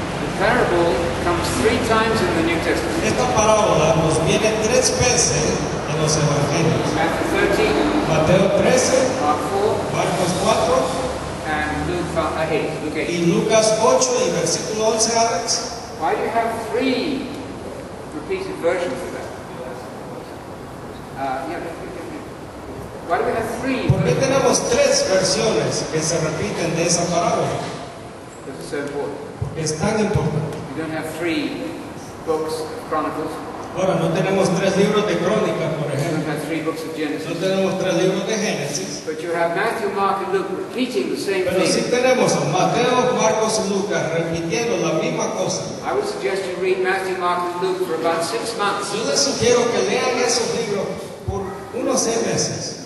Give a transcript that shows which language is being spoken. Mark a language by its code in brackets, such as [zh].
[en] The parable comes three times in the New Testament. [es] Esta parábola nos viene tres veces en los evangelios. [en] Matthew 13. [es] Mateo 13. [en] Mark 4. [es] Marcos 4. [en] And Luke 8. [es] Y Lucas 8 y versículo 11, Alex. [en] Why do you have three repeated versions of that? Why do we have three? [es] ¿Por qué tenemos tres versiones que se repiten de esa parábola? [en] Because it's so important. [es] Es tan importante. [en] We don't have three books of Chronicles. [es] Ahora, no tenemos tres libros de Crónicas, por ejemplo. [en] We don't have three books of Genesis. [es] No tenemos tres libros de Génesis. [en] But you have Matthew, Mark, and Luke repeating the same [es] Pero [en] thing. [es] Pero sí tenemos a Mateo, Marcos y Lucas repitiendo la misma cosa. [en] I would suggest you read Matthew, Mark, and Luke for about 6 months. [es] Yo les sugiero que lean esos libros por unos 6 meses.